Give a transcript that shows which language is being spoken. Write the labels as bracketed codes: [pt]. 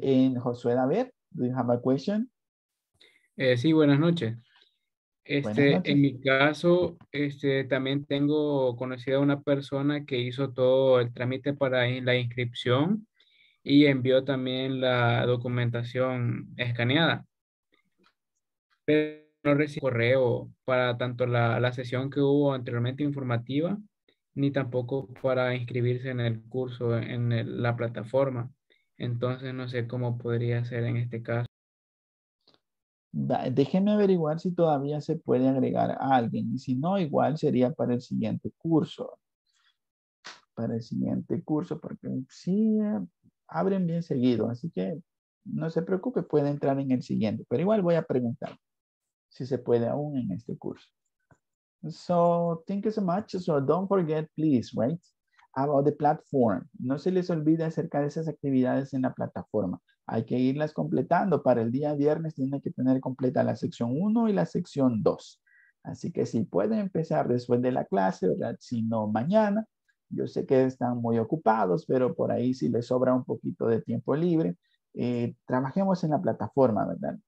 [en] En Josué David, do you have a question? [es] Sí, buenas noches. En mi caso, también tengo conocida a una persona que hizo todo el trámite para la inscripción y envió también la documentación escaneada. Pero no recibió correo para tanto la sesión que hubo anteriormente informativa, ni tampoco para inscribirse en el curso en la plataforma. Entonces, no sé cómo podría ser en este caso. Déjeme averiguar si todavía se puede agregar a alguien. Si no, igual sería para el siguiente curso. para el siguiente curso, porque sí abren bien seguido, así que no se preocupe, puede entrar en el siguiente, pero igual voy a preguntar si se puede aún en este curso. [en] So, thank you so much. So, don't forget, please, right, about the platform. [es] No se les olvide acerca de esas actividades en la plataforma. Hay que irlas completando. Para el día viernes tiene que tener completa la sección 1 y la sección 2. Así que si pueden empezar después de la clase, ¿verdad? Si no, mañana. Yo sé que están muy ocupados, pero por ahí si les sobra un poquito de tiempo libre, trabajemos en la plataforma, ¿verdad?